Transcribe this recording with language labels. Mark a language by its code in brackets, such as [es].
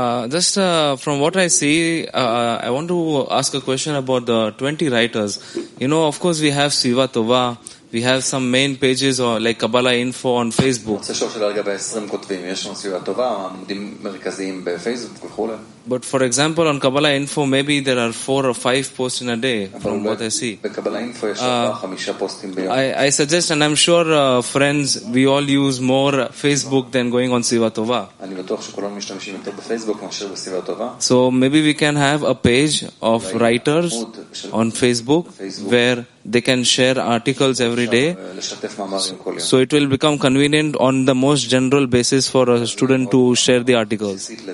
[en] Just from what I see, I want to ask a question about the 20 writers. You know, of course, we have Siva Tova, we have some main pages or like Kabbalah Info on Facebook. [he] יש שם רגע ב-20 כותבים, יש לנו Siva Tova, עמודים מרכזיים בפייסבוק וכולי. [en] But for example, on Kabbalah Info, maybe there are 4 or 5 posts in a day, from what I see. [he] בקבלה אינפו יש 4 [en] or [he] 5 פוסטים ביום. [en] I suggest, and I'm sure, friends, we all use more Facebook than going on Siva Tova. [he] אני בטוח שכולם משתמשים יותר בפייסבוק מאשר בסיבה טובה. [en] So maybe we can have a page of writers on Facebook where they can share articles every day. [he] לשתף מאמרים כל יום. [en] So it will become convenient on the most general basis for a student to share the articles.